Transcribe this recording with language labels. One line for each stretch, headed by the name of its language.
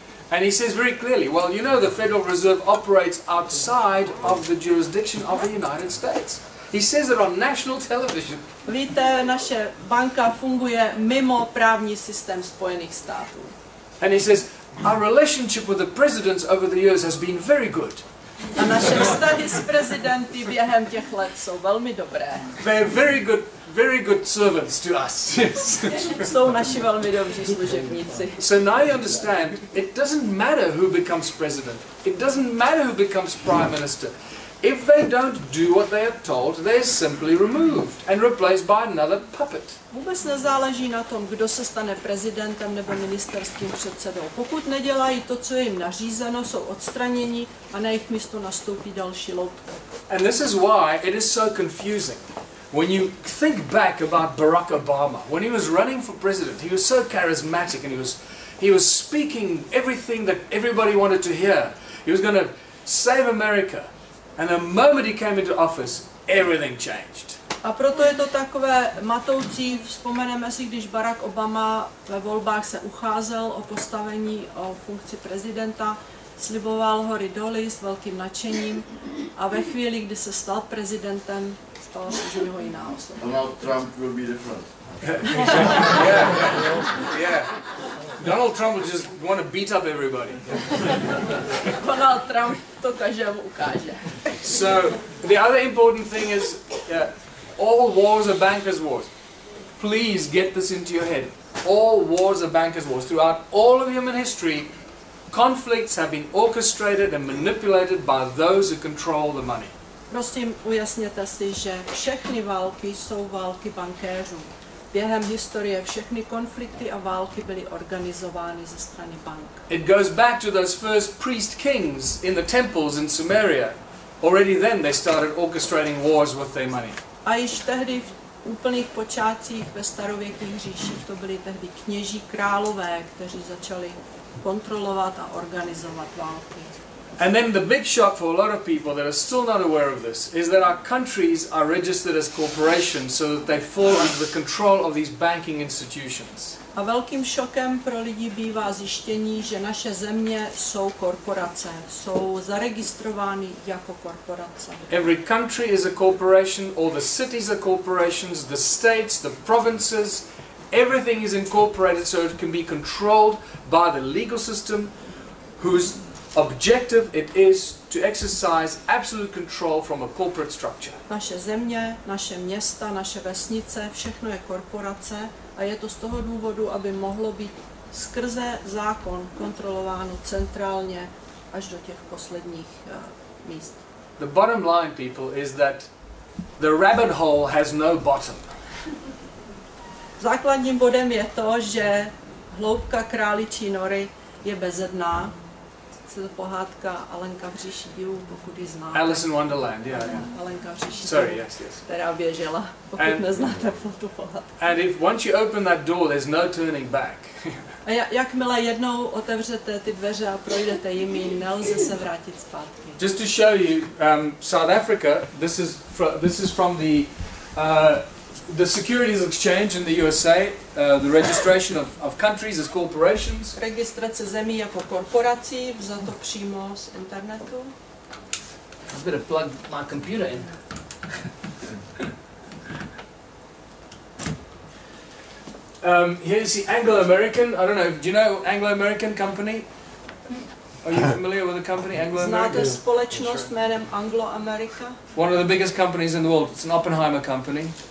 English: And he says very clearly, well, you know, the Federal Reserve operates outside of the jurisdiction of the United States. He says it on national television.
Czech: Víte, naše banka funguje mimo právní systém Spojených států.
English: And he says our relationship with the presidents over the years has been very good.
Czech: A naše vztahy s prezidenty během těch let jsou velmi dobré.
English: They are very good servants to us. Yes.
Czech: Jsou naši velmi dobří služebníci.
English: So now you understand, it doesn't matter who becomes president. It doesn't matter who becomes prime minister. If they don't do what they are told, they are simply removed and replaced by another puppet.
Czech: Vůbec nezáleží na tom, kdo se stane prezidentem nebo ministerským předsedou. Pokud nedělají to, co jim nařízeno, jsou odstraněni a na jejich místo nastoupí další loutka.
English: And this is why it is so confusing. When you think back about Barack Obama, when he was running for president, he was so charismatic and he was speaking everything that everybody wanted to hear. He was going to save America. And the moment he came into office, everything changed.
Czech: A proto je to takové matoucí, vzpomeneme si, když Barack Obama ve volbách se ucházel o postavení, o funkci prezidenta, sliboval hory doly s velkým nadšením a ve chvíli, kdy se stal prezidentem, stala se z něho jiná osoba.
English: Donald Trump will be different. Donald Trump will just want to beat up everybody.
Czech: Donald Trump to každému ukáže.
English: So the other important thing is, all wars are bankers' wars. Please get this into your head. All wars are bankers' wars. Throughout all of human history, conflicts have been orchestrated and manipulated by those who control the money.
Czech: Prosím, ujasněte si, že všechny války jsou války bankéřů. Během historie všechny konflikty a války byly organizovány ze strany bank.
English: It goes back to those first priest kings in the temples in Sumeria. Already then they started orchestrating wars with their money.
Czech: A již tehdy v úplných počátcích ve starověkých říších to byly tehdy kněží králové, kteří začali kontrolovat a organizovat války.
English: And then the big shock for a lot of people that are still not aware of this is that our countries are registered as corporations so that they fall under the control of these banking institutions.
Czech: A velkým šokem pro lidi bývá zjištění, že naše země jsou korporace, jsou zaregistrovány jako korporace.
English: Every country is a corporation, all the cities are corporations, the states, the provinces, everything is incorporated so it can be controlled by the legal system whose objective it is to exercise absolute control from a corporate structure.
Czech: Naše země, naše města, naše vesnice, všechno je korporace a je to z toho důvodu, aby mohlo být skrze zákon kontrolováno centrálně až do těch posledních míst.
English: The bottom line, people, is that the rabbit hole has no bottom.
Czech: Základním bodem je to, že hloubka králičí nory je bezedná. se to pohádka Alenka v říši divů, pokud ji znáte.
English: Alice in Wonderland, yeah.
Czech: Alenka v říši divů,
English: sorry, yes.
Czech: která běžela, pokud and, neznáte tu pohádku.
English: And if once you open that door, there's no turning back.
Czech: A jakmile jednou otevřete ty dveře a projdete jimi, nelze se vrátit zpátky.
English: Just to show you, South Africa, this is from the Securities Exchange in the USA, the registration of countries as corporations.
Czech: Registrace zemí jako korporací, vzato přímo z internetu.
English: I better plug my computer in. Here's the Anglo-American. I don't know. Do you know Anglo-American company? Are you familiar with the company Anglo-American?
Czech: Znáte společnost jménem Anglo-America?
English: One of the biggest companies in the world. It's an Oppenheimer company.